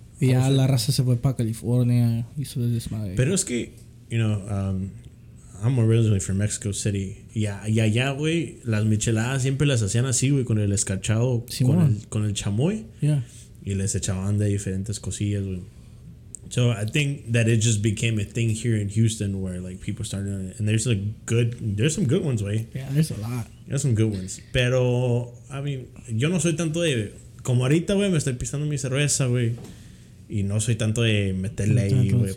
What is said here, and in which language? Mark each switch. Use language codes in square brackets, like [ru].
[es] Y ya la raza se fue para California. Y eso es desmadre. [en] Pero es que, you know, I'm originally from Mexico City. [es] Y allá, güey, las micheladas siempre las hacían así, güey, con el escarchado, con el chamoy. [en] Yeah. [es] Y les echaban de diferentes cosillas, güey. [en] So I think that it just became a thing here in Houston where, like, people started. And there's a good, there's some good ones, güey. Yeah, there's a lot. There's some good ones. Pero, I mean, yo no soy tanto de. [es] Como ahorita, güey, me estoy pisando mi cerveza, güey. Y no soy tanto de meterle ahí, güey.